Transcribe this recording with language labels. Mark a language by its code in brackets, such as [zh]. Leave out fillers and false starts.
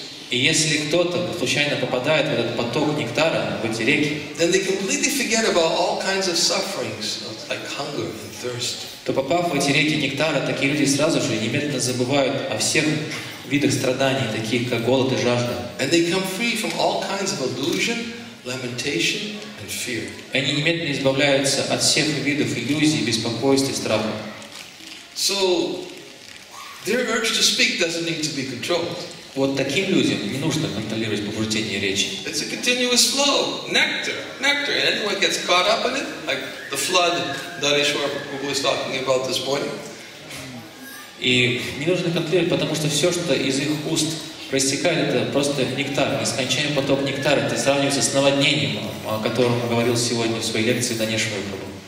[ru] И если кто-то случайно попадает в этот поток нектара, в эти реки, [en] then they completely forget about all kinds of sufferings, like hunger and thirst. [ru] То попав в эти реки нектара, такие люди сразу же немедленно забывают о всех видах страданий, таких как голод и жажда. [en] And they come free from all kinds of illusion, lamentation and fear. [ru] Они немедленно избавляются от всех видов иллюзий, беспокойства и страха. [en] So their urge to speak doesn't need to be controlled. [ru] Вот таким людям не нужно контролировать побуждение речи. [en] It's a continuous flow, nectar, and anyone gets caught up in it, like the flood that Ishwar Prabhu was talking about this morning. [ru] И не нужно контролировать, потому что все, что из их уст проистекает, это просто нектар, нескончаемый поток нектара. Это сравнивается с наводнением, о котором он говорил сегодня в своей лекции Данешвара Прабху.